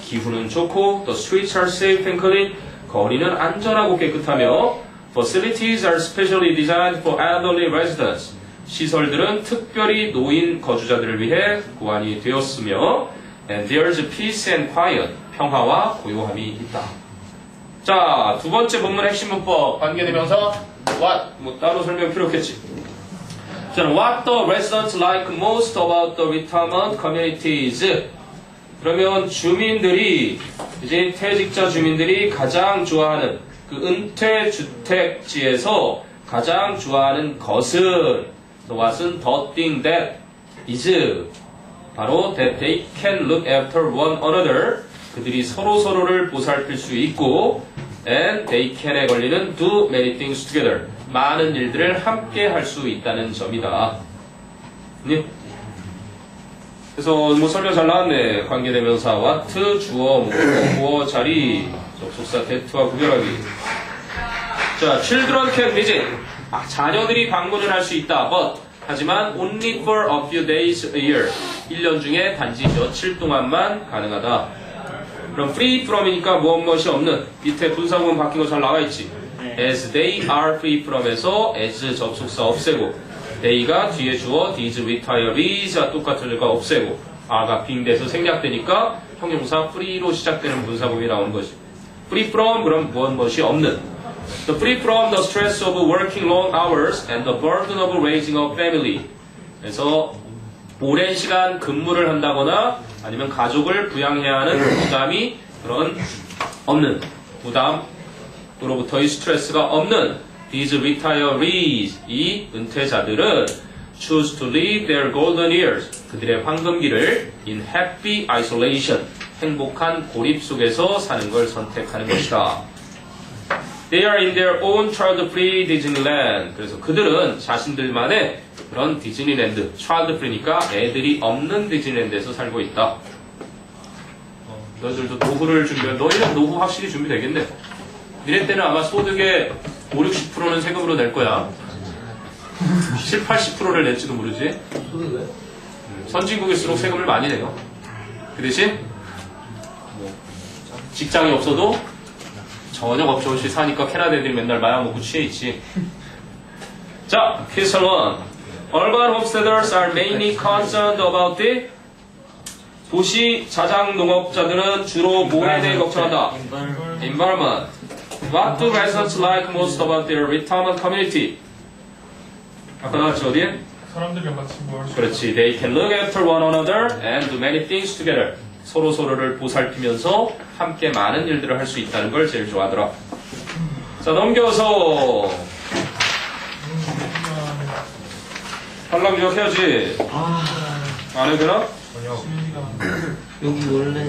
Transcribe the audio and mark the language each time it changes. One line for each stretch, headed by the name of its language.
Korean: 기후는 좋고,
English: the streets are safe and clean.
Korean: 거리는 안전하고 깨끗하며,
English: facilities are specially designed for elderly residents.
Korean: 시설들은 특별히 노인 거주자들을 위해 구안이 되었으며,
English: and there's peace and quiet.
Korean: 평화와 고요함이 있다. 자, 두 번째 본문 핵심 문법 관계되면서 what 뭐 따로 설명 필요했지.
English: 자, what the residents like most about the retirement communities.
Korean: 그러면 주민들이, 이제 퇴직자 주민들이 가장 좋아하는 그 은퇴주택지에서 가장 좋아하는 것은, the what은
English: the thing that is,
Korean: 바로
English: that they can look after one another,
Korean: 그들이 서로서로를 보살필 수 있고,
English: and they can
Korean: 에 걸리는
English: do many things together,
Korean: 많은 일들을 함께 할 수 있다는 점이다. 네. 그래서 뭐 설명 잘 나왔네. 관계대명사 what 주어 뭐 자리 접속사 that와 구별하기.
English: 자, children can visit.
Korean: 아, 자녀들이 방문을 할 수 있다.
English: But
Korean: 하지만
English: only for a few days a year.
Korean: 1년 중에 단지 며칠 동안만 가능하다. 그럼 free from이니까 무엇 무엇이 없는. 밑에 분사문 바뀐 거 잘 나와 있지. As they are free from에서 as 접속사 없애고. They가 뒤에 주어 these retirees가 똑같으니까 없애고 아가 빙돼서 생략되니까 형용사 free로 시작되는 분사법이 나온 거지. Free from 그럼 무엇이 없는.
English: The free from the stress of working long hours and the burden of raising a family.
Korean: 그래서 오랜 시간 근무를 한다거나 아니면 가족을 부양해야 하는 부담이 그런 없는 부담으로부터의 스트레스가 없는
English: These retirees,
Korean: 이 은퇴자들은
English: choose to live their golden years,
Korean: 그들의 황금기를
English: in happy isolation,
Korean: 행복한 고립 속에서 사는 걸 선택하는 것이다.
English: They are in their own child-free Disneyland.
Korean: 그래서 그들은 자신들만의 그런 디즈니랜드, child-free니까 애들이 없는 디즈니랜드에서 살고 있다. 너희들도 노후를 준비, 너희는 노후 확실히 준비되겠네. 니네 때는 아마 소득의 5, 60%는 세금으로 낼 거야. 7, 80%를 낼지도 모르지. 선진국일수록 세금을 많이 내요. 그 대신 직장이 없어도 저녁 없이 없이 사니까 캐나다 애들이 맨날 마약 먹고 취해 있지.
English: 자, 퀘스천 1. Urban homesteaders are mainly concerned about the
Korean: 도시 자장 농업자들은 주로 뭐에 대해 걱정한다?
English: Environment. What do residents like most about their retirement community?
Korean: 다같이 어디에? 사람들과 같이 뭐 할 수 그렇지.
English: They can look after one another and do many things together.
Korean: 서로 서로를 보살피면서 함께 많은 일들을 할 수 있다는 걸 제일 좋아하더라. 자, 넘겨서 한랑 기억해야지. 아, 안 해 그럼? 전혀. 여기 원래